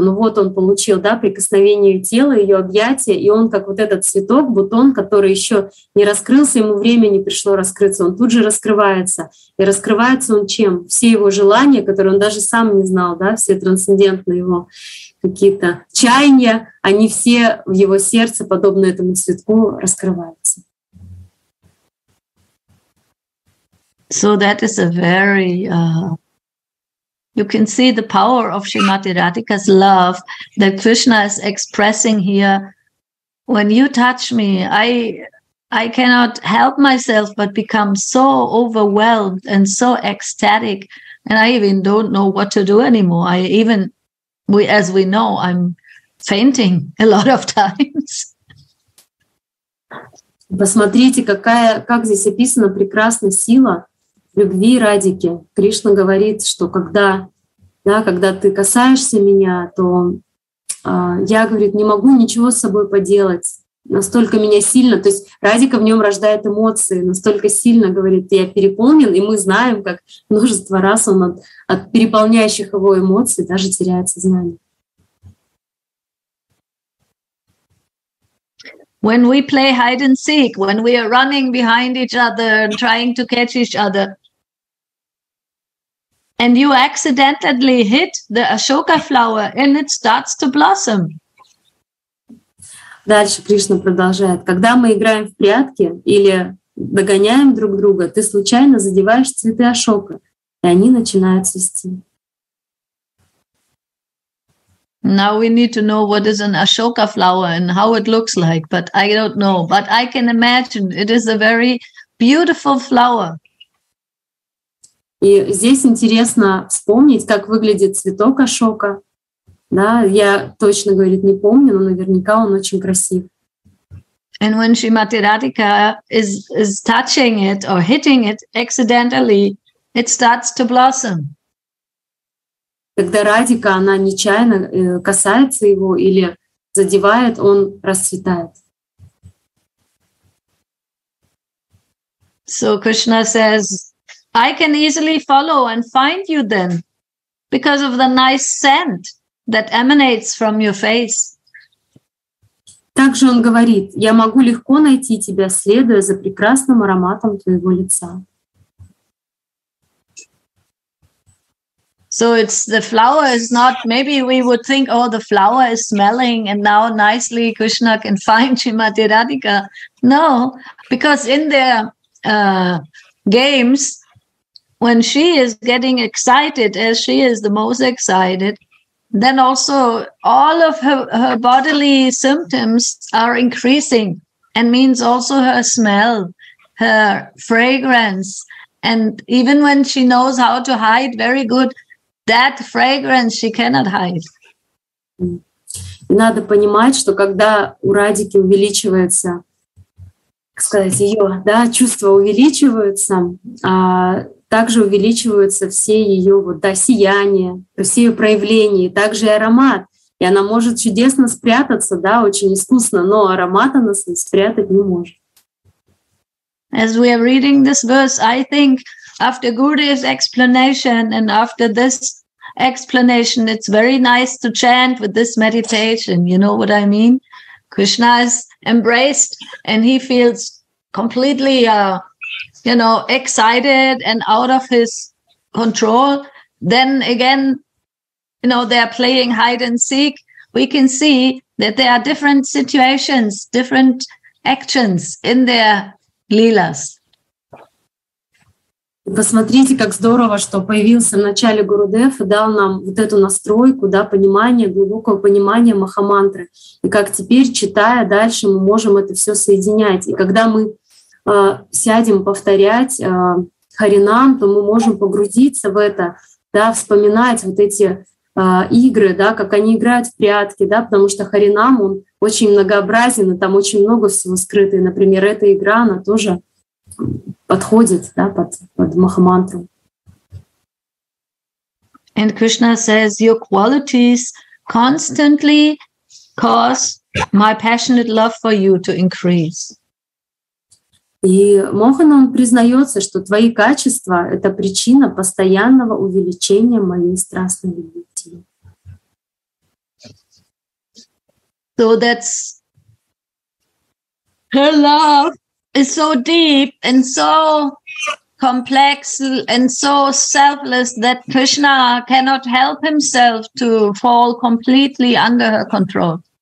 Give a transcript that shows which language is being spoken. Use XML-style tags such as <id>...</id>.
<ru>Ну вот он получил, да, прикосновение тела, ее объятия, и он как вот этот цветок, бутон, который еще не раскрылся, ему время не пришло раскрыться, он тут же раскрывается. И раскрывается он чем? Все его желания, которые он даже сам не знал, да, все трансцендентные его какие-то чаяния, они все в его сердце, подобно этому цветку, раскрываются.</ru> <en>So that is a very, you can see the power of Srimati Radhika's love that Krishna is expressing here. When you touch me, I cannot help myself but become so overwhelmed and so ecstatic, and I even don't know what to do anymore. As we know, I'm fainting a lot of times.</en> <ru>Посмотрите, как здесь описана прекрасная сила. Любви Радики. Кришна говорит, что когда ты касаешься меня, то я, говорит, не могу ничего с собой поделать. Настолько меня сильно, то есть Радика в нем рождает эмоции, настолько сильно, говорит, я переполнен, и мы знаем, как множество раз он от переполняющих его эмоций даже теряет сознание.</ru> <en>When we play hide and seek, when we are running behind each other and trying to catch each other, and you accidentally hit the Ashoka flower and it starts to blossom.</en> <ru>Дальше Кришна продолжает. Когда мы играем в прятки или догоняем друг друга, ты случайно задеваешь цветы Ашока, и они начинают цвести.</ru> <en>Now we need to know what is an Ashoka flower and how it looks like, but I don't know. But I can imagine it is a very beautiful flower.</en> <ru>И здесь интересно вспомнить, как выглядит цветок Ашока. Да, я точно, говорит, не помню, но наверняка он очень красив.</ru> <en>And when Srimati Radhika is touching it or hitting it accidentally, it starts to blossom.</en> <ru>Когда Радика, она нечаянно касается его или задевает, он расцветает.</ru> <en>So Krishna says, I can easily follow and find you then because of the nice scent that emanates from your face.</en> <ru>Также он говорит, я могу легко найти тебя, следуя за прекрасным ароматом твоего лица.</ru> <en>So it's the flower is not, maybe we would think, oh, the flower is smelling and now nicely Krishna can find Srimati Radhika. No, because in their games, when she is getting excited, as she is the most excited, then also all of her bodily symptoms are increasing, and means also her smell, her fragrance. And even when she knows how to hide very good, that fragrance she cannot hide.</en> <ru>Надо понимать, что когда у Радики увеличивается, как сказать, ее, да, чувства увеличиваются, также увеличиваются все ее вот, да, сияние, все ее проявления, также и аромат. И она может чудесно спрятаться, да, очень искусно, но аромат она спрятать не может.</ru> <en>As we are reading this verse, I think after Gurudev's explanation and after this explanation. It's very nice to chant with this meditation. You know what I mean? Krishna is embraced and he feels completely, you know, excited and out of his control. Then again, you know, they're playing hide and seek. We can see that there are different situations, different actions in their leelas.</en> <ru>Посмотрите, как здорово, что появился в начале Гурудев и дал нам вот эту настройку, да, понимание, глубокое понимание Махамантры. И как теперь, читая дальше, мы можем это все соединять. И когда мы сядем повторять Харинам, то мы можем погрузиться в это, да, вспоминать вот эти игры, да, как они играют в прятки, да, потому что Харинам, он очень многообразен, и там очень много всего скрыто. И, например, эта игра, она тоже подходит, да, под Махамантру.</ru> <en>And Krishna says, your qualities constantly cause my passionate love for you to increase.</en> <ru>И Мохан, он признается, что твои качества — это причина постоянного увеличения моей страстной любви.</ru> <en>So that's her love is so deep and so complex and so selfless that Krishna cannot help himself to fall completely under her control.</en>